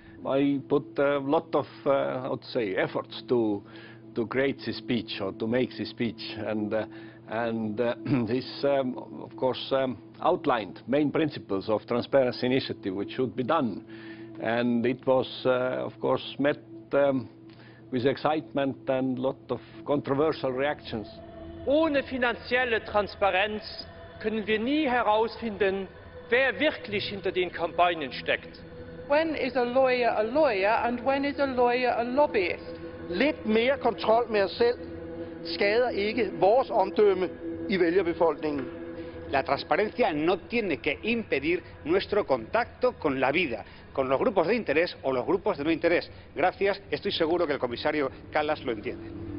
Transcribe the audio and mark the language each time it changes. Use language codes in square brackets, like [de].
[en] I put a lot of, efforts to create this speech or to make this speech. And this, of course, outlined main principles of Transparency Initiative, which should be done. And it was, met with excitement and a lot of controversial reactions. [de] Ohne finanzielle Transparenz können wir nie herausfinden, wer wirklich hinter den Kampagnen steckt. [en] When is a lawyer a lawyer and when is a lawyer a lobbyist? [da] Lidt mere kontrol med os selv skader ikke vores omdømme i vælgerbefolkningen. [es] La transparencia no tiene que impedir nuestro contacto con la vida, con los grupos de interés o los grupos de no interés. Gracias, estoy seguro que el comisario Callas lo entiende.